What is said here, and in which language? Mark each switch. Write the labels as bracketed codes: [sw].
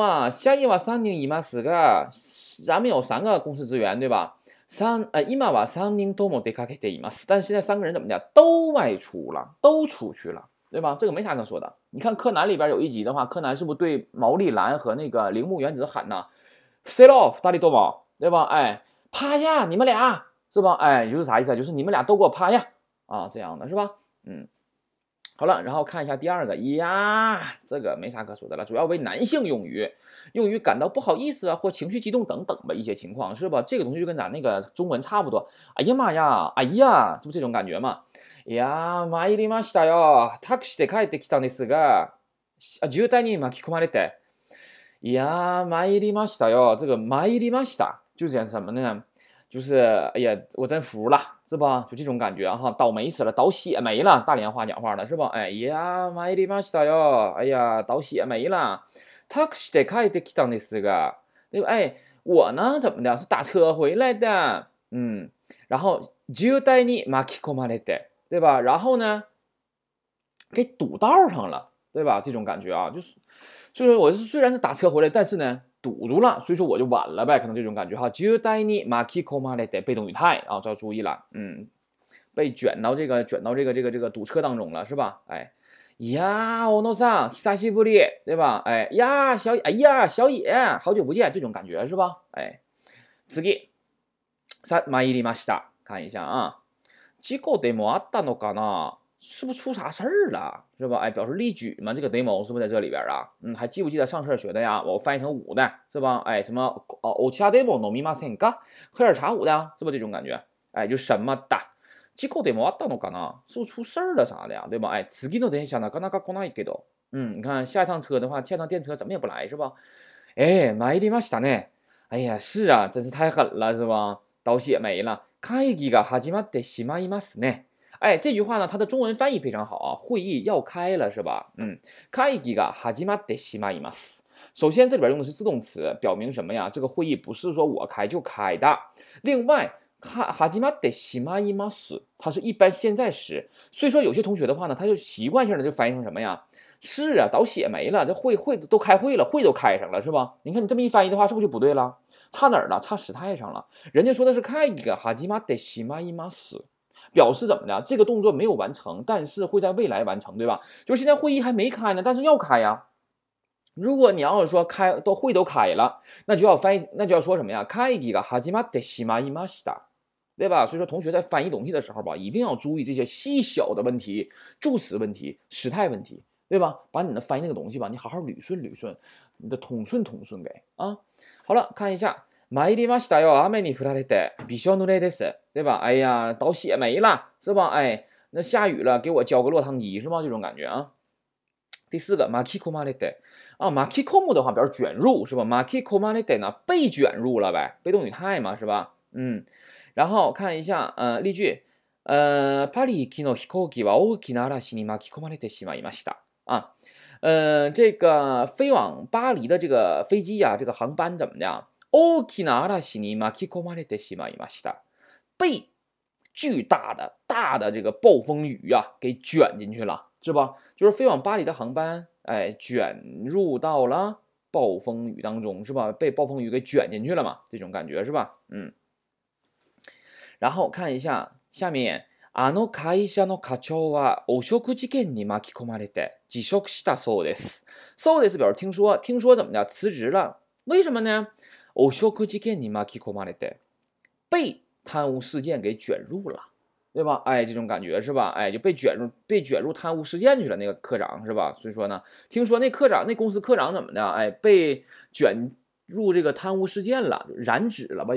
[ja] 社員は3人いますが、 [zh] 咱们有三个公司职员，对吧？ [ja] 今は3人とも出かけています。 [zh] 但现在三个人怎么的？都外出了，都出去了，对吧？这个没啥可说的。你看柯南里边有一集的话，柯南是不是对毛利兰和那个铃木原子喊呢？Sit off，大力多宝，对吧？哎，趴下，你们俩是吧？哎，就是啥意思？就是你们俩都给我趴下啊，这样的是吧？好了，然后看一下第二个呀，这个没啥可说的了，主要为男性用于，感到不好意思啊或情绪激动等等的一些情况，是吧？这个东西就跟咱那个中文差不多。哎呀妈呀，哎呀，就这种感觉嘛。呀， [ja] 参りましたよ。タクシーで帰ってきたんですが、渋滞に巻き込まれて。いや、参りましたよ。 [zh] 这个参りました，就是什么呢？就是哎呀，我真服了。是吧？就这种感觉哈，倒霉死了，倒血霉了，大连话讲话了，是吧？哎呀， [ja] 参りましたよ， [zh] 哎呀，倒血霉了。 [ja] タクシーで帰ってきたんですが，对吧？ [zh] 哎，我呢怎么的？是打车回来的，嗯。 [ja] 然后渋滞に巻き込まれて，对吧？ [zh] 然后呢，给堵道上了，对吧？这种感觉啊，就是我是虽然是打车回来，但是呢。堵住了，所以说我就晚了呗，可能这种感觉哈。 [ja] 渋滞に巻き込まれて [zh] 被动语态啊，就要注意了，嗯，被卷到这个堵车当中了，是吧？哎，呀， [ja] 小野さん、久しぶり， [zh] 对吧？哎呀，小野，哎呀，小野，好久不见，这种感觉是吧？ [ja] 哎，次，さ、参りました。看一下啊，事故でもあったのかな？ [zh] 是不是出啥事儿了，是吧？哎，表示例举嘛，这个 demo 是不是在这里边啊？嗯，还记不记得上课学的呀？我翻译成五的，是吧？哎，什么哦，其他 demo [ja] 飲みませんか？ [zh] 喝点茶五的，是不是这种感觉？哎，就什么的， [ja] 事故でもあったのかな？ [zh] 是不是出事儿了啥的呀？对吧？哎， [ja] 次の電車なかなか来ないけど， [zh] 嗯，你看下一趟车的话，下一趟电车怎么也不来，是吧？哎， [ja] 参りましたね。 [zh] 哎呀，是啊，真是太狠了，是吧？倒血霉了。 [ja] 会議が始まってしまいますね。 [zh] 哎，这句话呢，它的中文翻译非常好啊，会议要开了是吧？ [ja] 嗯，会議が始まってしまいます。 [zh] 首先，这里边用的是自动词，表明什么呀？这个会议不是说我开就开的。另外，始まってしまいます，它是一般现在时，所以说有些同学的话呢，他就习惯性的就翻译成什么呀？是啊，倒血霉了，这会都开会了，会都开上了是吧？你看你这么一翻译的话，是不是就不对了？差哪儿了？差时态上了。人家说的是 [ja] 会議が始まってしまいます。 [zh] 表示怎么的？这个动作没有完成，但是会在未来完成，对吧？就是现在会议还没开呢，但是要开呀。如果你要是说开都会都开了，那就要翻译，那就要说什么呀？ [ja] 会議が始まってしまいました，对吧？ [zh] 所以说同学在翻译东西的时候吧，一定要注意这些细小的问题、助词问题、时态问题，对吧？把你的翻译那个东西吧，你好好捋顺捋顺，你的统顺统顺给啊。好了，看一下。 [ja] 参りましたよ。雨に降られて、びしょ濡れです。 [zh] 对吧？哎呀，倒血霉了，是吧？哎，那下雨了，给我浇个落汤鸡，是吧？这种感觉啊。第四个，巻き込まれて。啊，巻き込む的话，表示卷入，是吧？巻き込まれて呢，被卷入了呗，被动语态嘛，是吧？嗯。然后看一下，例句， [ja] パリ行きの飛行機は大きな嵐に巻き込まれてしまいました。 [zh] 啊，这个飞往巴黎的这个飞机呀，这个航班怎么的？ [ja] 大きな嵐に巻き込まれてしまいました。 [zh] 被巨大的、大的这个暴风雨啊，给卷进去了，是吧？就是飞往巴黎的航班，哎，卷入到了暴风雨当中，是吧？被暴风雨给卷进去了嘛，这种感觉是吧？嗯。然后看一下下面， [ja] あの会社の課長は汚職事件に巻き込まれて辞職したそうです。 [zh] そうです表示听说怎么的，辞职了，为什么呢？ [ja] 汚職事件に巻き込まれて， [zh] 被贪污事件给卷入了，对吧？哎，这种感觉是吧？哎，就被卷入贪污事件去了。那个科长是吧？所以说呢，听说那科长那公司科长怎么的？哎，被卷入这个贪污事件了，染指了吧？